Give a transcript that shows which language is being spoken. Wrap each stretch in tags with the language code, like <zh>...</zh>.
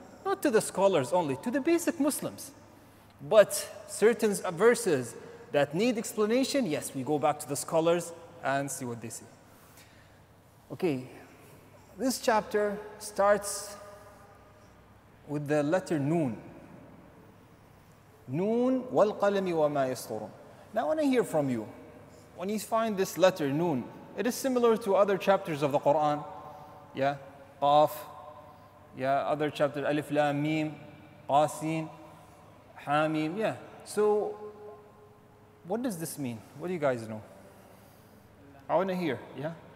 <en>Not to the scholars only, to the basic Muslims. But certain verses that need explanation, yes, we go back to the scholars and see what they say. Okay. This chapter starts with the letter Noon.</en> <ar>Noon والقلم وما يسطرون.</ar> <en>Now I want to hear from you. When you find this letter Noon, it is similar to other chapters of the Quran. Yeah, Qaf. Yeah, other chapters, Alif Lam Mim, Qasim, Hamim. Yeah. So, what does this mean? What do you guys know? I want to hear. Yeah.</en>